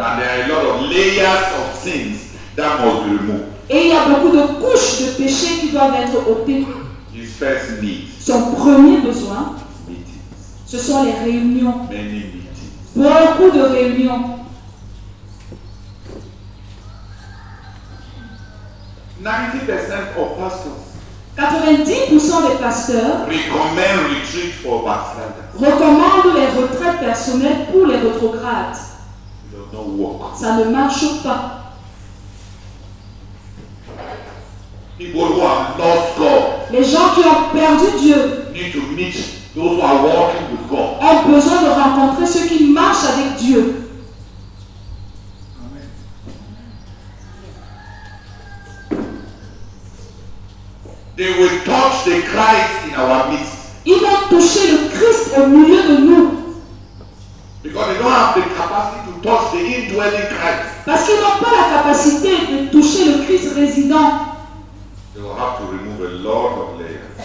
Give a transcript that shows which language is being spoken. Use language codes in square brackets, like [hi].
[en] And there are a lot of layers of sins that must be removed. [fr] Et il y a beaucoup de couches de péchés qui doivent être ôtées. [en] His first need, [fr] son premier besoin, [en] meetings. [fr] Ce sont les réunions. [en] Many meetings. [fr] Beaucoup de réunions. [en] Of pastors [fr] 90% des pastors [en] recommend retreat for backsliders. [fr] Recommandent les retraites personnelles pour les rétrogrades. Ça ne marche pas. [en] People who have lost God, [fr] les gens qui ont perdu Dieu, [en] need to meet those who are walking with God, [fr] ont besoin de rencontrer ceux qui marchent avec Dieu. [en] They will touch the Christ in our midst. [fr] Ils vont toucher le Christ au milieu de nous. [en] Because they don't have the capacity to touch the indwelling Christ. [fr] Parce qu'ils n'ont pas la capacité de toucher le Christ résident. [en] They will have to remove a lot of layers.